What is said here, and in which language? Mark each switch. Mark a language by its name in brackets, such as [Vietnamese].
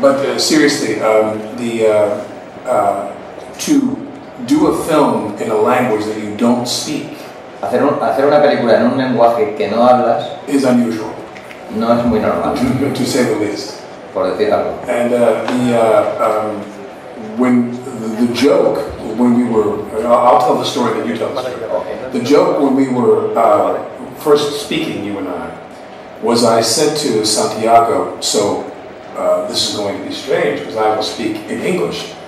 [English] but seriously, to do a film in a language that you don't speak. [Spanish] Hacer una película en un lenguaje que no hablas. [English] Is unusual. [Spanish] No es muy normal. [English] To say the least. [Spanish] Por decir algo. [English] And the joke when we were, I'll tell the story that you tell the story. The joke when we were first speaking, you and I, was I said to Santiago, so this is going to be strange because I will speak in English.